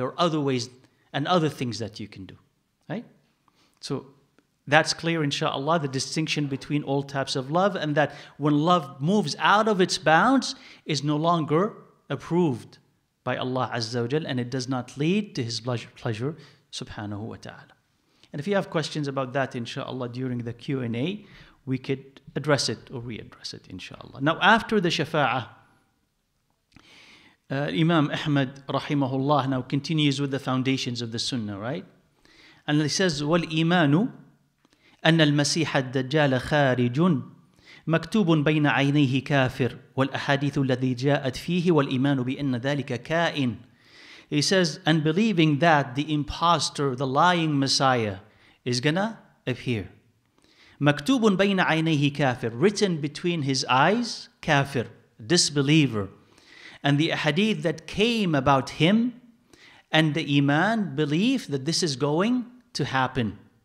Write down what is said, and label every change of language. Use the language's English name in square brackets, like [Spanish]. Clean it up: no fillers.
[English] There are other ways and other things that you can do, right? So that's clear, inshallah, the distinction between all types of love, and that when love moves out of its bounds, is no longer approved by Allah Azza wa Jal, and it does not lead to his pleasure, subhanahu wa ta'ala. And if you have questions about that, inshallah, during the Q&A, we could address it or readdress it, inshallah. Now, after the shafa'ah, Imam Ahmad, rahimahullah, now continues with the foundations of the sunnah, right? And he says, [Arabic] وَالْإِيمَانُ أَنَّ الْمَسِيحَ الدَّجَّالَ خَارِجٌ مكتوب بين عينيه كافر والأحاديث الذي جاءت فيه والإيمان بأن ذلك كائن. [English] He says, and believing that the imposter, the lying Messiah, is gonna appear. [Arabic] مكتوب بين عينيه كافر, [English] written between his eyes, كافر, disbeliever. And the hadith that came about him and the iman, belief that this is going to happen.